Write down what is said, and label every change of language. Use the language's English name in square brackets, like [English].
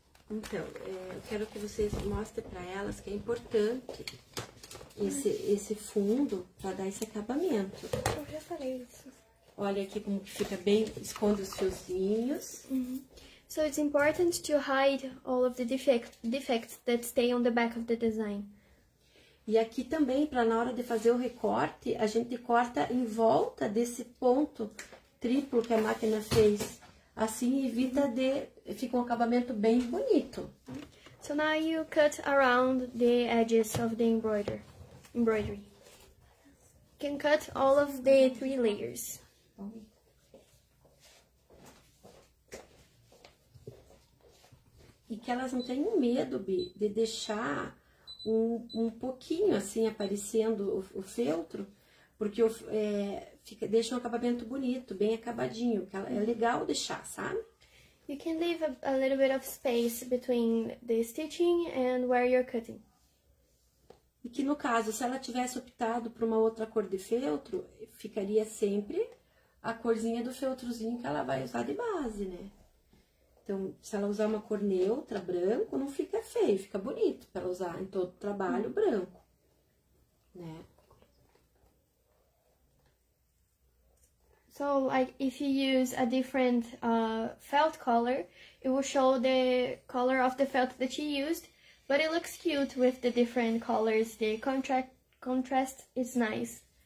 [Portuguese] Então, eu quero que vocês mostrem para elas que é importante esse fundo para dar esse acabamento. Eu já falei isso. Olha aqui como fica bem, esconde os fiozinhos. Uhum. [English] So it's important to hide all of the defects that stay on the back of the design. [Portuguese] E aqui também, para na hora de fazer o recorte, a gente corta em volta desse ponto triplo que a máquina fez. Assim evita de... fica um acabamento bem bonito. [English] So now you cut around the edges of the embroidery. You can cut all of the three layers. [Portuguese] E que elas não tenham medo, Bi, de deixar um pouquinho assim aparecendo o feltro, porque deixa um acabamento bonito, bem acabadinho, que é legal deixar, sabe? [English] You can leave a little bit of space between the stitching and where you're cutting. [Portuguese] E que no caso, se ela tivesse optado por uma outra cor de feltro, ficaria sempre a corzinha do feltrozinho que ela vai usar de base, né? Então, se ela usar uma cor neutra, branco, não fica feio, fica bonito para usar em todo o trabalho branco, né? [English] So, like, if you use a different felt color, it will show the color of the felt that you used, but it looks cute with the different colors, the contrast is nice.